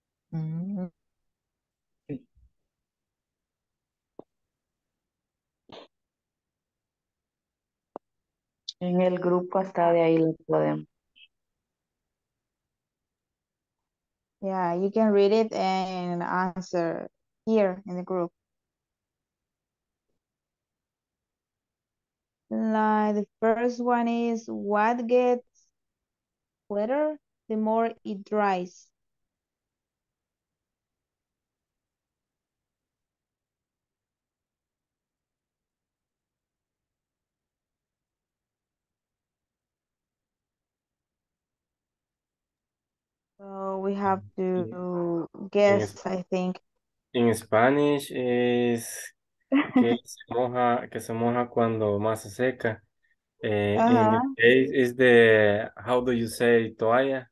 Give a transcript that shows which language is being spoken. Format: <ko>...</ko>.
<es>el ¿no? En el grupo hasta de ahí lo podemos.</es> <en>Yeah, you can read it and answer here in the group. Like the first one is, what gets wetter the more it dries? We have to guess, I think. In Spanish is</en> <es>que se moja cuando más se seca.</es> <en>In English is the, how do you say toalla?</en>